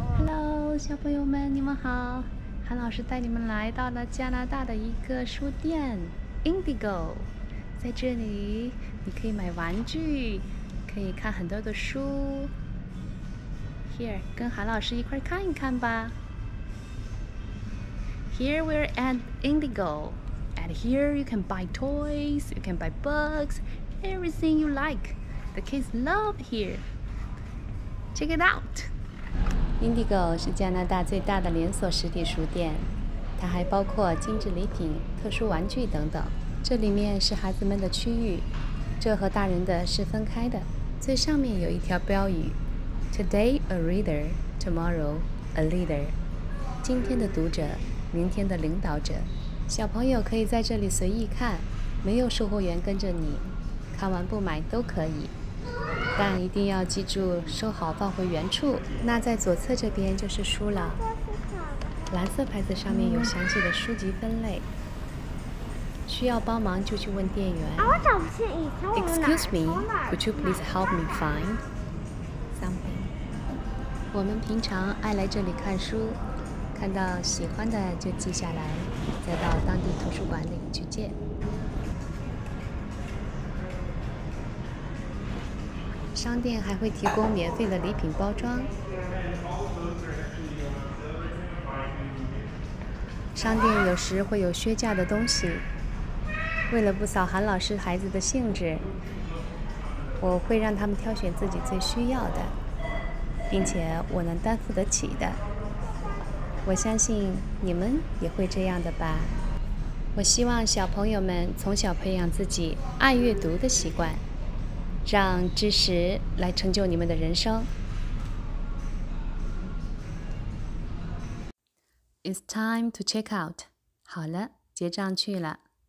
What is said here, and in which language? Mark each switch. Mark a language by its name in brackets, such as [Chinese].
[Chinese] Hello， 小朋友们，你们好。韩老师带你们来到了加拿大的一个书店 ，Indigo。在这里，你可以买玩具，可以看很多的书。 Here， 跟韩老师一块看一看吧。 [English] Here we're at Indigo, and here you can buy toys, you can buy books, everything you like. The kids love here. Check it out. [Chinese] Indigo 是加拿大最大的连锁实体书店，它还包括精致礼品、特殊玩具等等。这里面是孩子们的区域，这和大人的是分开的。最上面有一条标语 ： [English] Today a reader, tomorrow a leader. [Chinese] 今天的读者。明天的领导者，小朋友可以在这里随意看，没有售货员跟着你，看完不买都可以，但一定要记住收好放回原处。那在左侧这边就是书了，蓝色牌子上面有详细的书籍分类，需要帮忙就去问店员。我找不清以前我们哪从哪儿。 [English] Excuse me, would you please help me find something? [Chinese] 我们平常爱来这里看书。看到喜欢的就记下来，再到当地图书馆里去借。商店还会提供免费的礼品包装。商店有时会有削价的东西。为了不扫韩老师孩子的兴致，我会让他们挑选自己最需要的，并且我能担负得起的。我相信你们也会这样的吧。我希望小朋友们从小培养自己爱阅读的习惯，让知识来成就你们的人生。 [English] It's time to check out. [Chinese] 好了，结账去了。